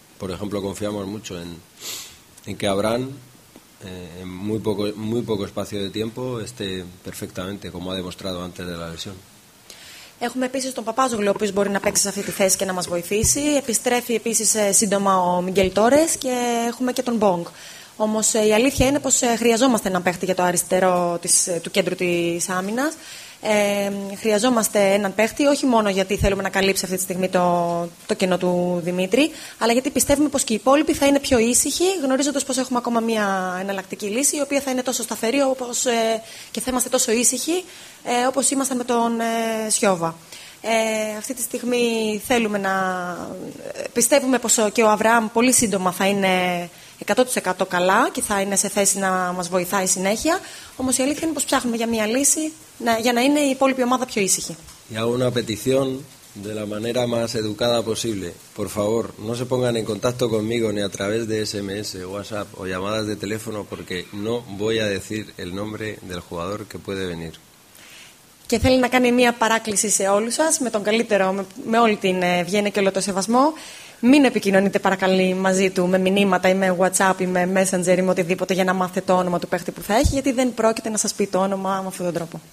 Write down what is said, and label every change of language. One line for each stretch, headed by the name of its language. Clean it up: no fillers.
Spanish: Por ejemplo, confiamos mucho en que Abraham en muy poco espacio de tiempo esté perfectamente como ha demostrado antes de la lesión.
Greek: Έχουμε επίσης τον Παπάζογλου, ο οποίος μπορεί να παίξει σε αυτή τη θέση και να μας βοηθήσει. Επιστρέφει επίσης σύντομα ο Μιγγέλ Τόρες και έχουμε και τον Μπόγκ. Όμως η αλήθεια είναι πως χρειαζόμαστε έναν παίχτη για το αριστερό του κέντρου της άμυνας. Χρειαζόμαστε έναν παίχτη όχι μόνο γιατί θέλουμε να καλύψει αυτή τη στιγμή το κενό του Δημήτρη, αλλά γιατί πιστεύουμε πως και οι υπόλοιποι θα είναι πιο ήσυχοι, γνωρίζοντας πως έχουμε ακόμα μια εναλλακτική λύση η οποία θα είναι τόσο σταθερή όπως, και θα είμαστε τόσο ήσυχοι όπως ήμασταν με τον Σιώβα. Αυτή τη στιγμή θέλουμε να πιστεύουμε πως και ο Αβραάμ πολύ σύντομα θα είναι 100% καλά και θα είναι σε θέση να μας βοηθάει συνέχεια. Όμως η αλήθεια είναι πως ψάχνουμε για μια λύση για να είναι η υπόλοιπη ομάδα πιο ήσυχη.
Spanish: Για una petición de la manera más educada posible. Por favor, no se pongan en contacto conmigo ni a través de SMS, WhatsApp o llamadas de teléfono porque no voy a decir el nombre del jugador que puede venir.
Greek: Και θέλει να κάνει μια παράκληση σε όλους σας, με τον καλύτερο, με όλη την ευγένεια και όλο το σεβασμό. Μην επικοινωνείτε παρακαλεί μαζί του με μηνύματα ή με WhatsApp ή με Messenger ή με οτιδήποτε για να μάθετε το όνομα του παίχτη που θα έχει, γιατί δεν πρόκειται να σας πει το όνομα με αυτόν τον τρόπο.